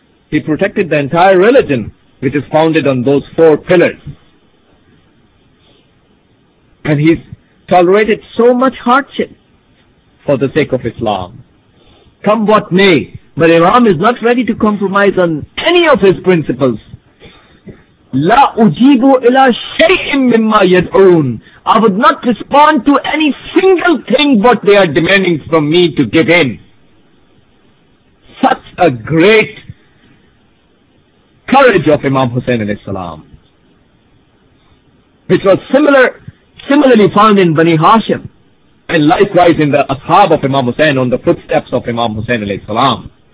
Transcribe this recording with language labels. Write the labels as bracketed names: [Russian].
[English] He protected the entire religion, which is founded on those four pillars. And he's tolerated so much hardship for the sake of Islam. Come what may, but Imam is not ready to compromise on any of his principles. [Arabic] لا أجيب إلى شيء مما يدعون. [English] I would not respond to any single thing what they are demanding from me to give in. Such a great courage of Imam Hussein alayhi salam, which was similarly found in Bani Hashim and likewise in the Ashab of Imam Hussein on the footsteps of Imam Hussein alayhi salam.